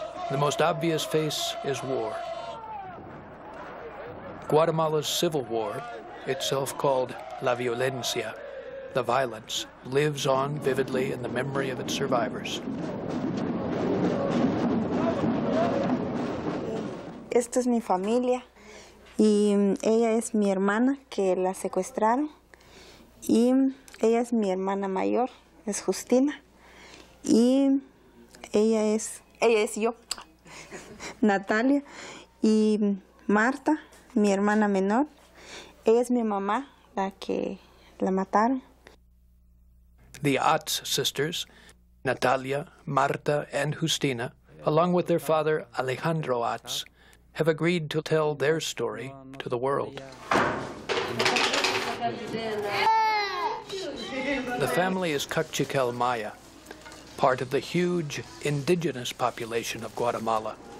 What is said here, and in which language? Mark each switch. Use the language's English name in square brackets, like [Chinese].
[English] The most obvious face is war. Guatemala's civil war, itself called La Violencia, the violence, lives on vividly in the memory of its survivors. [Spanish] Esta es mi familia y ella es mi hermana que la secuestraron y ella es mi hermana mayor, es Justina y ella es yo, Natalia y Marta, mi hermana menor. Ella es mi mamá, la que la mataron. [English] The Atz sisters, Natalia, Marta, and Justina, along with their father, Alejandro Atz, have agreed to tell their story to the world. The family is Cachiquel Maya, part of the huge indigenous population of Guatemala.